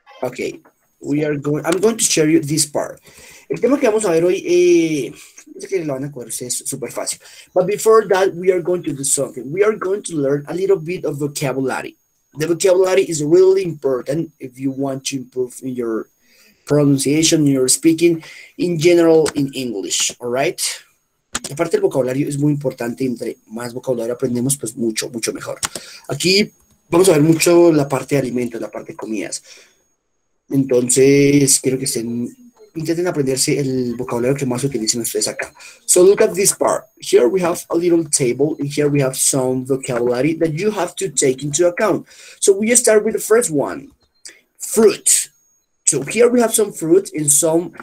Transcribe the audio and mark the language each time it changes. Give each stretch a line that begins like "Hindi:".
English: Ok, I'm going to share you this part.
Spanish: El tema que vamos a ver hoy, es que lo van a coger, es súper fácil.
English: But before that, we are going to do something. We are going to learn a little bit of vocabulary. The vocabulary is really important if you want to improve in your pronunciation, in your speaking, in general, in English, all right?
Spanish: Aparte, el vocabulario es muy importante. Entre más vocabulario aprendemos, pues mucho, mucho mejor. Aquí vamos a ver mucho la parte de alimentos, la parte de comidas. Entonces, quiero que intenten aprenderse el vocabulario que más utilicen ustedes acá.
English: So, look at this part. Here we have a little table, and here we have some vocabulary that you have to take into account. So, we start with the first one, fruit. So, here we have some fruit and some.